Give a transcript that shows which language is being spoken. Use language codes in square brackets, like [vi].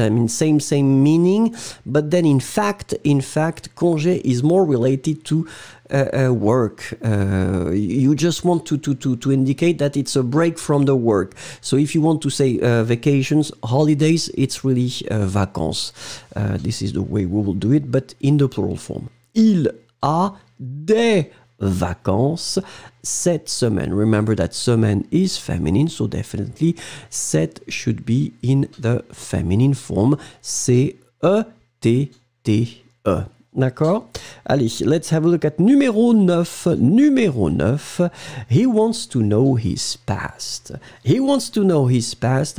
[en] I mean, same meaning. But then in fact, congé is more related to work. You just want to indicate that it's a break from the work. So if you want to say vacations, holidays, it's really vacances. This is the way we will do it, but in the plural form. [fr] Il a des vacances cette semaine. [en] Remember that semaine is feminine, so definitely set should be in the feminine form. [fr] C-E-T-T-E. D'accord? [en] Allez, let's have a look at [fr] numéro 9. Numéro 9. [en] He wants to know his past. He wants to know his past.